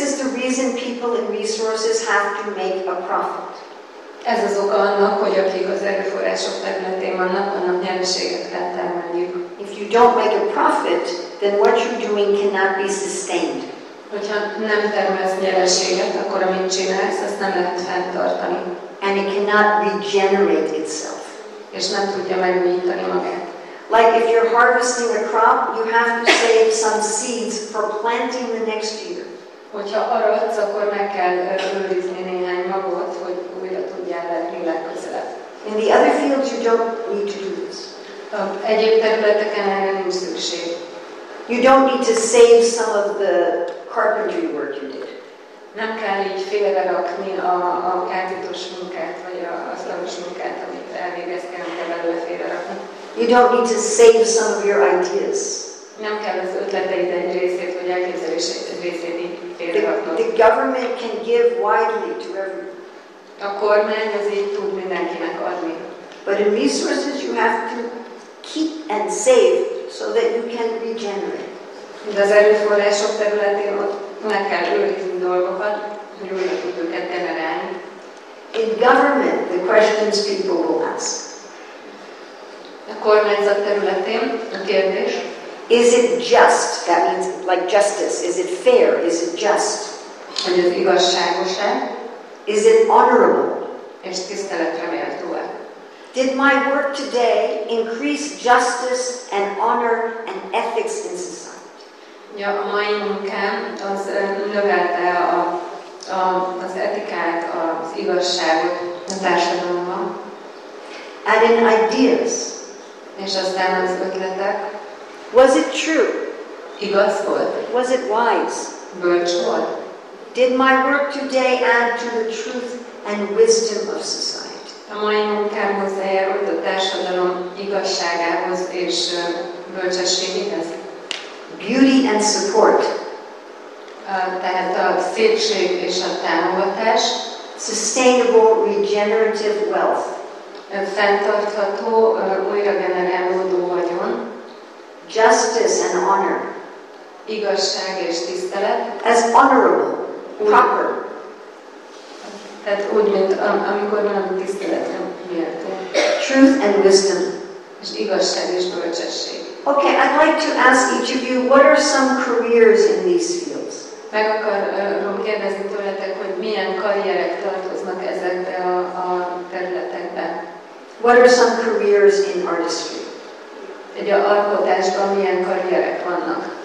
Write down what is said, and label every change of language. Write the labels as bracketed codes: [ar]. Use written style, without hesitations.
[en] is the reason people in resources have to make a profit. [hu] Ez az oka annak, hogy akik az erőforrások területén vannak, annak nyereséget kell termelniük. [en] If you don't make a profit, then what you're doing cannot be sustained. [hu] Hogyha nem termelsz nyereséget, akkor amit csinálsz, azt nem lehet fenntartani. [en] And it cannot regenerate itself. [hu] És nem tudja megújítani magát. [en] Like if you're harvesting a crop, you have to save some seeds for planting the next year. [hu] Hogyha aratsz, akkor meg kell őrizni néhány magot, hogy [en] in the other fields, you don't need to do this. [hu] Egyéb területeken erre nincs szükség. [en] You don't need to save some of the carpentry work you did. [hu] Nem kell így félre rakni a kártyatos munkát, vagy az lakos munkát, amit elvégeztél, nem kell belőle félre rakni. [en] You don't need to save some of your ideas. [hu] Nem kell az ötleteid egy részét, vagy elképzelését egy részét így félre raknod. [en] The government can give widely to everyone. [hu] A kormány azért tud mindenkinek adni. [en] But in resources you have to keep and save so that you can regenerate. [hu] De az erőforrások területén ott meg kell őrizni dolgokat, hogy újra tudjuk generálni. [en] In government, the questions people will ask. [hu] A kormányzat területén a kérdés. [en] Is it just, that means like justice, is it fair, is it just? [hu] Hogy az igazságos-e? [en] Is it honorable? [hu] És tiszteletre méltó-e? [en] Did my work today increase justice and honor and ethics in society? [hu] Ja, a mai munkám az növelte az etikát, az igazságot a társadalomban. [en] Add in ideas. [hu] És aztán az ötletek. [en] Was it true? [hu] Igaz volt. [en] Was it wise? [hu] Bölcs volt. [en] Did my work today add to the truth and wisdom of society? [hu] A mai munkám hozzájárult a társadalom igazságához és bölcsességéhez. [en] Beauty and support. [hu] Tehát a szépség és a támogatás. [en] Sustainable regenerative wealth. [hu] Fenntartható, újra generálódó vagyon. [en] Justice and honor. [hu] Igazság és tisztelet. [en] As honorable, proper. [hu] Tehát úgy, mint amikor valami tiszteletre méltó. [en] Truth and wisdom. [hu] És igazság és bölcsesség. [en] Okay, I'd like to ask each of you, what are some careers in these fields? [hu] Meg akarom kérdezni tőletek, hogy milyen karrierek tartoznak ezekbe a területekbe. [en] What are some careers in artistry? [hu] Egy alkotásban milyen karrierek vannak?